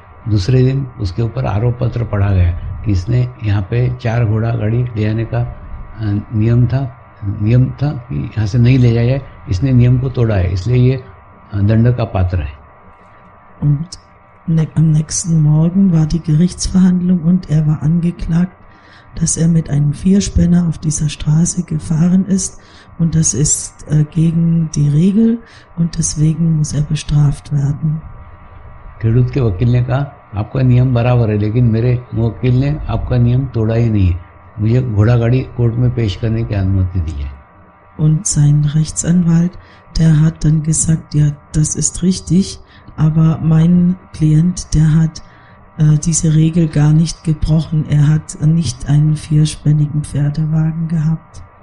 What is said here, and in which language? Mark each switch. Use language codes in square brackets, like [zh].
[hi] दूसरे दिन उसके ऊपर आरोप पत्र पढ़ा गया कि इसने यहाँ पे चार घोड़ा गाड़ी ले आने का नियम था कि यहाँ से नहीं ले जाए, इसने नियम को तोड़ा है, इसलिए ये दंड का पात्र है। [de] Und Am nächsten Morgen war die Gerichtsverhandlung und er war angeklagt, dass er mit einem Vierspänner auf dieser Straße gefahren ist und das ist gegen die Regel und deswegen muss er bestraft werden. [hi] खेडूत के वकील ने कहा आपका नियम बराबर है लेकिन मेरे वकील ने आपका नियम तोड़ा ही नहीं है मुझे घोड़ा गाड़ी कोर्ट में पेश करने की अनुमति दी है [de] Und sein Rechtsanwalt, der hat dann gesagt, ja, das ist richtig, aber mein Klient, der hat diese Regel gar nicht gebrochen. Er hat nicht einen vierspännigen Pferdewagen gehabt.